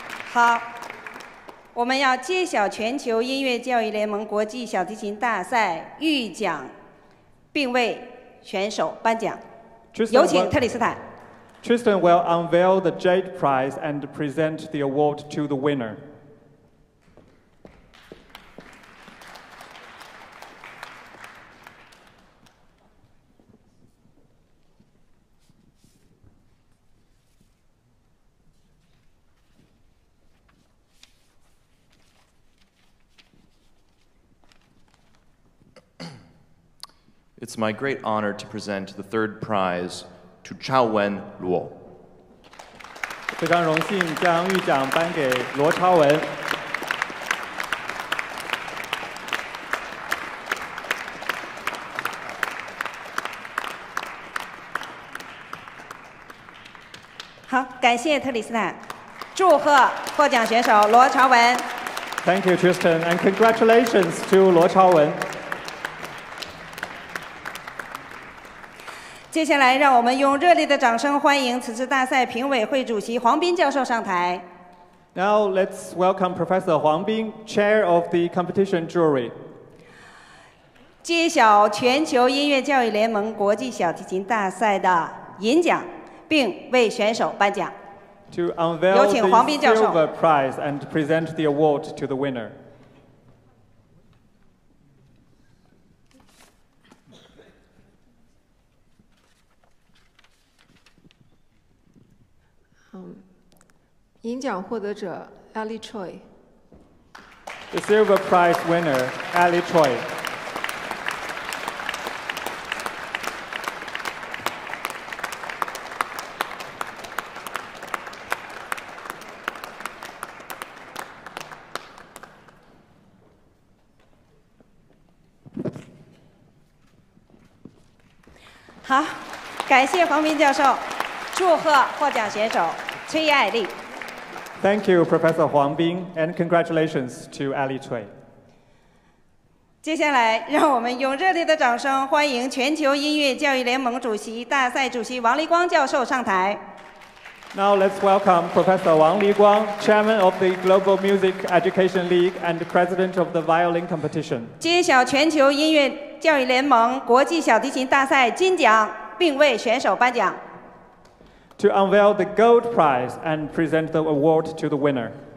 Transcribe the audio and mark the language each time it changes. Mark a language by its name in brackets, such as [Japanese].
[Chinese] 好，我们要揭晓全球音乐教育联盟国际小提琴大赛预奖，并为选手颁奖。 [English] Tristan, [Chinese] 有请特里斯坦。 [English] Tristan will unveil the Jade Prize and present the award to the winner. It's my great honor to present the third prize to Chaowen Luo. [Chinese] 非常荣幸将预奖颁给罗超文。好，感谢特里斯坦，祝贺获奖选手罗超文。 [English] Thank you, Tristan, and congratulations to 罗超文。 [Chinese] 接下来让我们用热烈的掌声欢迎此次大赛评委会主席黄斌教授上台。 [English] Now let's welcome Professor 黄斌 Chair of the Competition Jury [Chinese] 揭晓全球音乐教育联盟国际小提琴大赛的银奖，并为选手颁奖。 [English] To unveil the silver prize and present the award to the winner. [Chinese] 银奖获得者 Ali Choi. [English] The silver prize winner Ali Choi. [Chinese] 好，感谢黄斌教授，祝贺获奖选手崔爱丽。 [English] Thank you, Professor Huang Bing, and congratulations to Ali Choi. [Chinese] 接下来，让我们用热烈的掌声欢迎全球音乐教育联盟主席、大赛主席王黎光教授上台。 [English] Now let's welcome Professor Wang Liguang, Chairman of the Global Music Education League and President of the Violin Competition. [Chinese] 揭晓全球音乐教育联盟国际小提琴大赛金奖，并为选手颁奖。 [English] To unveil the gold prize and present the award to the winner.